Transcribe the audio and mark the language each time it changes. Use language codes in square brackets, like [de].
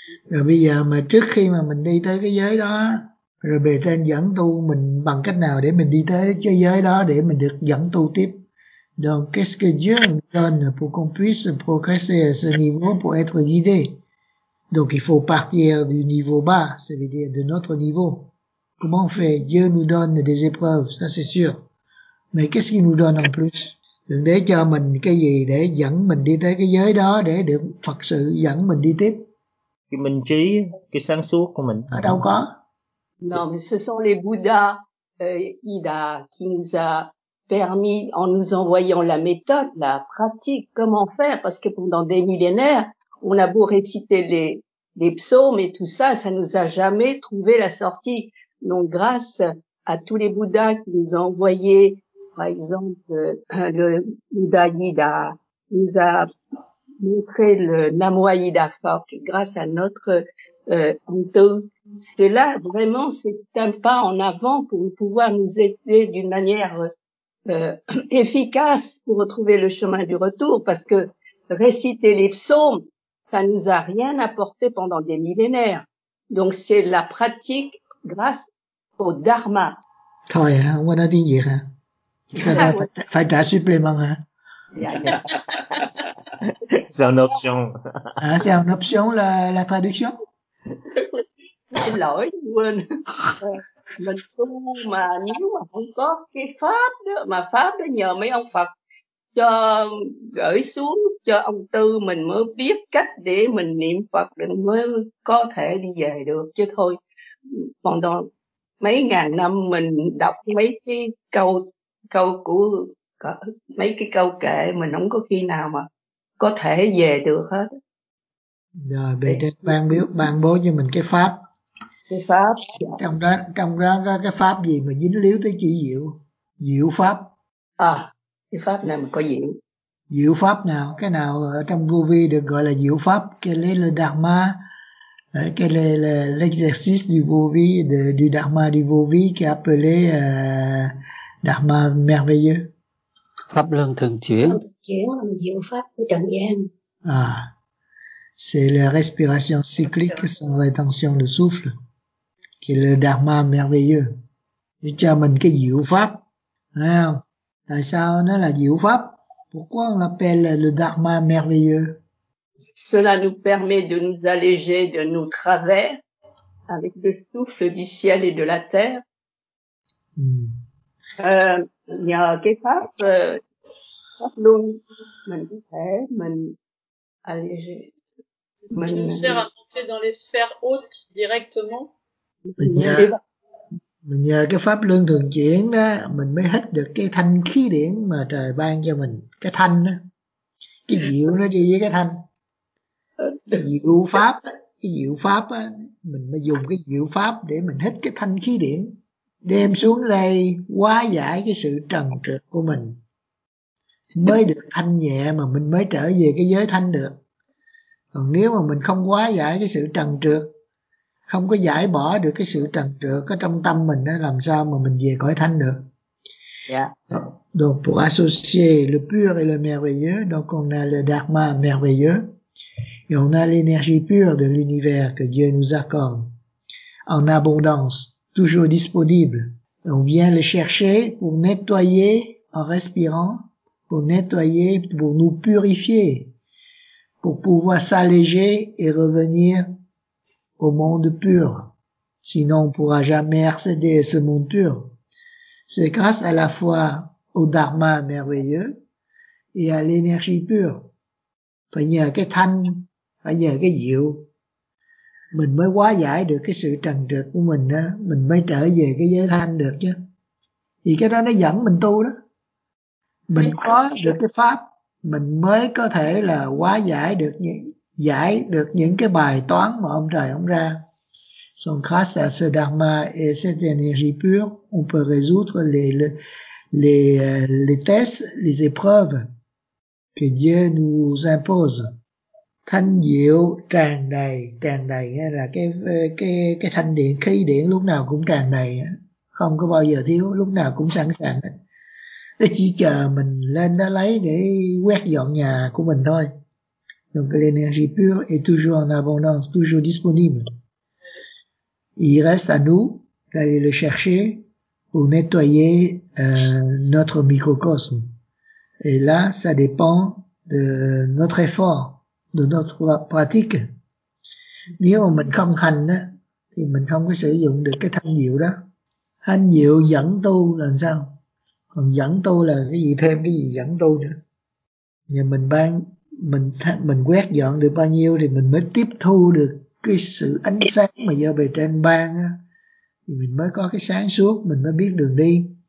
[vi] Rồi bây giờ mà trước khi mà mình đi tới cái giới đó, rồi bề trên dẫn tu mình bằng cách nào để mình đi tới cái giới đó để mình được dẫn tu tiếp. [fr] Donc, qu'est-ce que Dieu nous donne pour qu'on puisse progresser à ce niveau pour être guidé? Donc il faut partir du niveau bas, ça veut dire de notre niveau. Comment on fait? Dieu nous donne des épreuves, ça c'est sûr. Mais qu'est-ce qu'il nous donne en plus? [vi] Đừng để cho mình cái gì để dẫn mình đi tới cái giới đó để được Phật sự dẫn mình đi tiếp. Cái minh trí, cái sáng suốt của mình. Ở đâu có? [fr] Non, mais ce sont les Bouddhas, Ida, qui nous a permis en nous envoyant la méthode, la pratique, comment faire? Parce que pendant des millénaires, on a beau réciter les psaumes et tout ça, ça nous a jamais trouvé la sortie. Donc, grâce à tous les Bouddhas qui nous ont envoyé, par exemple, le Bouddha Yida, nous a montré le Namo Ayida Fok, grâce à notre Anto. C'est là, vraiment, c'est un pas en avant pour pouvoir nous aider d'une manière efficace pour retrouver le chemin du retour, parce que réciter les psaumes, ça nous a rien apporté pendant des millénaires. Donc c'est la pratique grâce au dharma. [vi] Thôi hả, không có nói tiếng Việt hả? Phải trả, phải trả supplément hả? [fr] C'est une option. Ah, c'est une option la traduction? [vi] Xin lỗi, quên. Mình tu mà nếu mà không có cái pháp đó, mà pháp đó nhờ mấy ông Phật cho gửi xuống cho ông Tư, mình mới biết cách để mình niệm Phật để mới có thể đi về được. Chứ thôi, pendant mấy ngàn năm mình đọc mấy cái câu của mấy cái câu kệ, mình không có khi nào mà có thể về được hết. Rồi bề trên ban bố cho mình cái pháp. Cái pháp. Trong đó có cái pháp gì mà dính líu tới chỉ diệu? Diệu pháp. À. Cái pháp nào mà có diệu? Diệu pháp nào? Cái nào ở trong vô vi được gọi là diệu pháp? [fr] Quel est le dharma? Quel est l'exercice du vô vi, du dharma du vô vi qui est appelé dharma merveilleux? [vi] pháp luân thường chuyển. Chuyển diệu pháp của trần gian. [fr] À, c'est la respiration cyclique sans rétention de souffle, qui est le dharma merveilleux. [vi] Nó cho mình cái diệu pháp, thấy không? Tại sao nó là diệu pháp? [fr] Pourquoi on l'appelle le dharma merveilleux? Cela nous permet de nous alléger de nos travers avec le souffle du ciel et de la terre. [vi] Nhờ cái pháp pháp luôn mình có thể mình alléger. [fr] Mình nous sert à monter dans les sphères hautes directement. [vi] Mình nhờ cái pháp luân thường chuyển đó, mình mới hít được cái thanh khí điển mà trời ban cho mình, cái thanh đó, cái diệu nó đi với cái thanh, cái diệu pháp, cái diệu pháp á, mình mới dùng cái diệu pháp để mình hít cái thanh khí điển, đem xuống đây hóa giải cái sự trần trượt của mình, mới được thanh nhẹ mà mình mới trở về cái giới thanh được. Còn nếu mà mình không hóa giải cái sự trần trượt, không có giải bỏ được cái sự trần trượt ở trong tâm mình đó, làm sao mà mình về cõi thanh được. Yeah. [fr] Donc pour associer le pur et le merveilleux, donc on a le dharma merveilleux et on a l'énergie pure de l'univers que Dieu nous accorde en abondance, toujours disponible. On vient le chercher pour nettoyer en respirant, pour nettoyer, pour nous purifier, pour pouvoir s'alléger et revenir au monde pur, sinon on pourra jamais accéder à ce monde pur. C'est grâce à la foi au dharma merveilleux et à l'énergie pure. [vi] Phải nhờ cái thanh, phải nhờ cái diệu, mình mới hóa giải được cái sự trần trượt của mình á, mình mới trở về cái giới thanh được chứ. Thì cái đó nó dẫn mình tu đó. Mình có được cái pháp, mình mới có thể là hóa giải được những, giải được những cái bài toán mà ông trời ông ra. [fr] Donc grâce à ce dharma et cette énergie pure, on peut résoudre les tests, les épreuves que Dieu nous impose. [vi] Thanh diệu tràn đầy là cái thanh điện, khí điện lúc nào cũng tràn đầy, không có bao giờ thiếu, lúc nào cũng sẵn sàng. Nó chỉ chờ mình lên đó lấy để quét dọn nhà của mình thôi. [fr] Donc l'énergie pure est toujours en abondance, toujours disponible. Il reste à nous d'aller le chercher pour nettoyer notre microcosme. Et là, ça dépend de notre effort, de notre pratique. [vi] Nếu mà mình không hành á, thì mình không có sử dụng được cái thanh diệu đó. Thanh diệu dẫn tu là sao? Còn dẫn tu là cái gì thêm cái gì dẫn tu nữa? Nhà mình ban mình quét dọn được bao nhiêu thì mình mới tiếp thu được cái sự ánh sáng mà do bề trên ban á, thì mình mới có cái sáng suốt, mình mới biết đường đi.